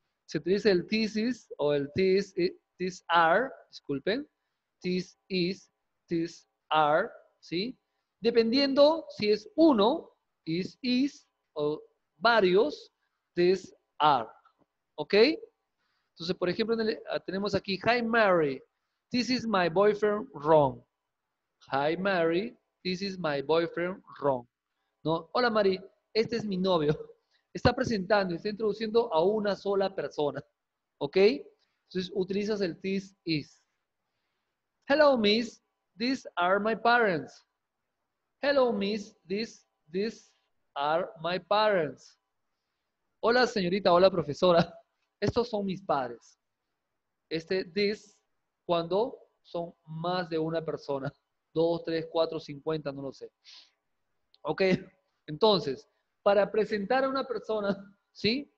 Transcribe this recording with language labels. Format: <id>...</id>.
<es>Se utiliza el this is o el this are, disculpen, this is, this are, ¿sí? Dependiendo si es uno, is, o varios, this are. ¿Ok? Entonces, por ejemplo, tenemos aquí,</es> <en>hi Mary, this is my boyfriend Ron. Hi Mary, this is my boyfriend Ron.</en> <es>¿No? Hola Mary, este es mi novio. Está presentando, está introduciendo a una sola persona. ¿Ok? Entonces, utilizas el this is.</es> <en>Hello miss, these are my parents. Hello miss, these are my parents.</en> <es>Hola señorita, hola profesora. Estos son mis padres. Este this, cuando son más de una persona. 2, 3, 4, 50, no lo sé. Ok, entonces, para presentar a una persona, ¿sí?</es>